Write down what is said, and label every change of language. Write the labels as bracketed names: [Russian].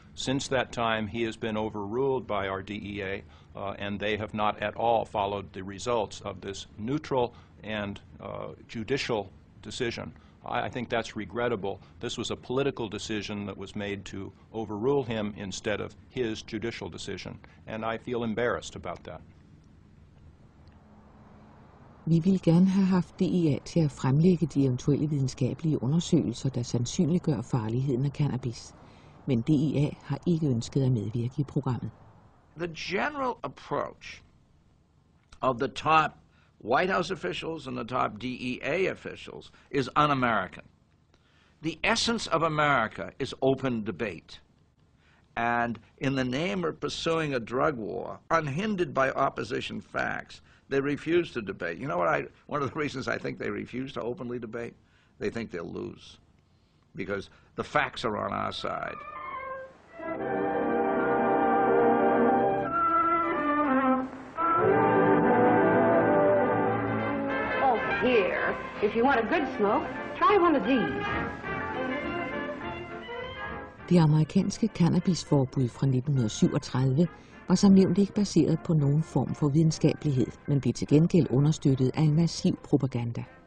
[English] Since that time, he has been overruled by our DEA, and they have not at all followed the results of this neutral and judicial decision. I think that's regrettable. This was a political decision that was made to overrule him instead of his judicial decision, and I feel embarrassed about that. [Danish] Vi ville gerne have haft DEA til at fremlægge de eventuelle videnskabelige undersøgelser, der sandsynliggør farligheden af cannabis, men DEA har ikke ønsket at medvirke i programmet. [English] The general approach of the top White House officials and the top DEA officials is un-American. The essence of America is open debate. And in the name of pursuing a drug war, unhindered by opposition facts, they refuse to debate. You know what? One of the reasons I think they refuse to openly debate? They think they'll lose. Because the facts are on our side. Here, if you want a good smoke, try one of these. [Danish] Det amerikanske cannabisforbud fra 1937 var som nævnt ikke baseret på nogen form for videnskabelighed, men blev til gengæld understøttet af en massiv propaganda.